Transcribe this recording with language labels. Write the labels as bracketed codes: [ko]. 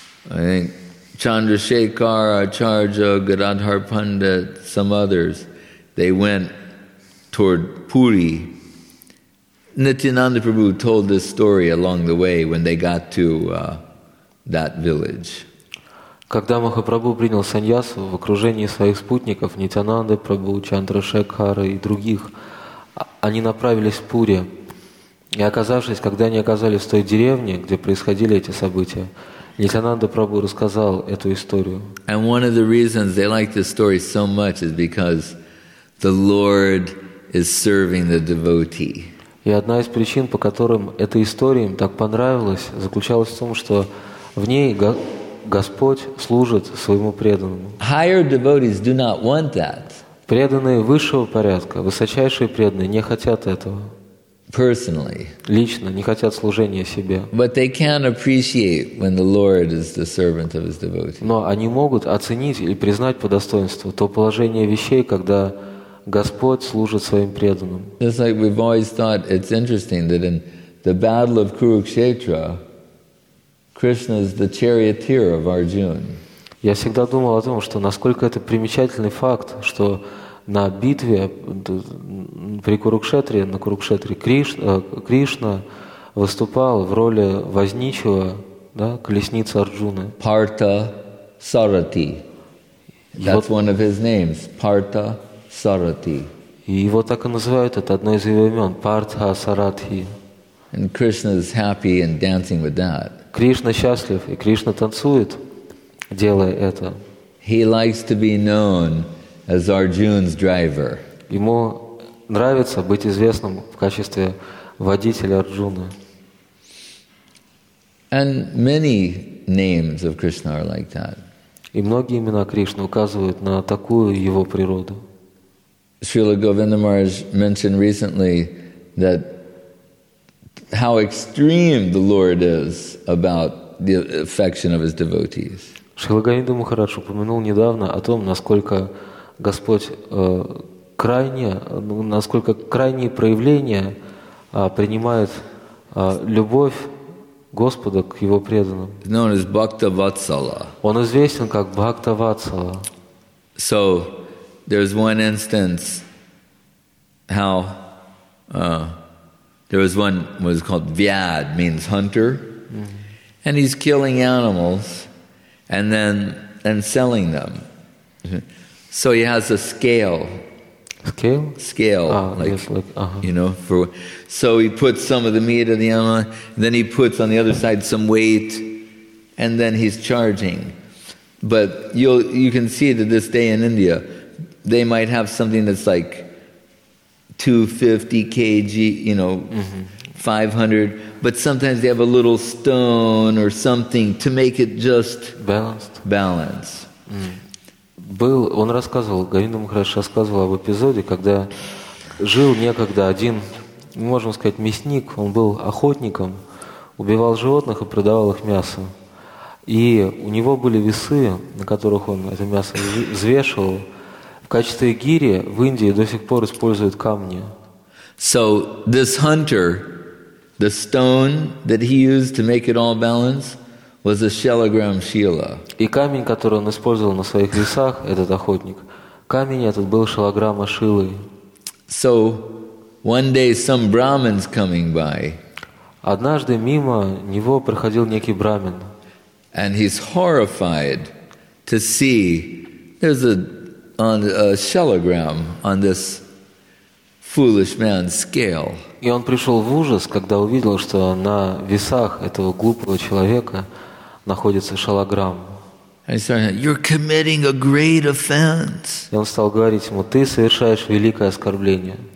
[en] I think Chandrasekhar, Acharya, Gadadhar Pandit, some others, they went toward Puri. Nityananda Prabhu told this story along the way when they got to that village. [ru] Когда Махапрабху принял саньясу в окружении своих спутников, Нитянанды, Прабху, Чандрашекхара и других, они направились в Пури. И оказавшись, когда они оказались в той деревне, где происходили эти события, Нитянанда Прабху рассказал эту историю. [en] And one of the reasons they like this story so much is because the Lord is serving the devotee. [ru] И одна из причин, по которым эта история им так понравилась, заключалась в том, что в ней Господь служит своему преданному. [en] Higher devotees do not want that. [ru] Преданные высшего порядка, высочайшие преданные, не хотят этого. [en] Personally. [ru] Лично, не хотят служения себе. [en] But they can appreciate when the Lord is the servant of his devotee. [ru] Но они могут оценить или признать по достоинству то положение вещей, когда Господь служит своим преданным. [en] It's like we've always thought it's interesting that in the battle of Kurukshetra, Krishna is the charioteer of Arjuna. [ru] Я всегда думал о том, что насколько это примечательный факт, что на битве при Курукшетре, на Курукшетре Кришна выступал в роли возничего, да, колесницы Арджуны. [en] Partha Sarathi. That's one of his names. Partha Sarathi. [ru] И его так и называют, это одно из его имен. Partha Sarathi. [en] And Krishna is happy and dancing with that. [ru] Кришна счастлив, и Кришна танцует, делая это. [en] He likes to be known as Arjuna's driver. [ru] Ему нравится быть известным в качестве водителя Арджуны. [en] And many names of Krishna are like that. [ru] И многие имена Кришны указывают на такую его природу. [en] Srila Govinda Maharaj mentioned recently that how extreme the Lord is about the affection of his devotees. [ru] Шрила Говинда Махарадж упомянул недавно о том, насколько Господь насколько крайние проявления принимает любовь Господа к его преданным. [en] Known as Bhakta Vatsala. [ru] Он известен как Бхакта Ватсала. [en] So there's one instance how there was one what was called Vyad, means hunter. Mm-hmm. And he's killing animals and selling them. So he has a scale. Scale? Scale. You know, so he puts some of the meat of the animal, then he puts on the other side some weight, and then he's charging. But you can see to this day in India, they might have something that's like 250 kg, you know, mm-hmm. 500, but sometimes they have a little stone or something to make it just balance. Mm. [ru] Он рассказывал, Говинда Махарадж рассказывал об эпизоде, когда жил некогда один, можем сказать, мясник, он был охотником, убивал животных и продавал их мясо. И у него были весы, на которых он это мясо взвешивал. В качестве гири в Индии до сих пор используют камни. [en] So this hunter, the stone that he used to make it all balance, was a shalagram shila. [ru] И камень, который он использовал на своих весах, этот охотник, камень этот был шалограмма шилы. [en] So one day some brahmin's coming by. [ru] Однажды мимо него проходил некий брамин. [en] And he's horrified to see there's a on a shalagram on this foolish man's scale. [ru] И он пришел в ужас, когда увидел, что на весах этого глупого человека находится шалограмма. [en] He said, "You're committing a great offense." [ru] И он стал говорить ему: "Ты совершаешь великое оскорбление."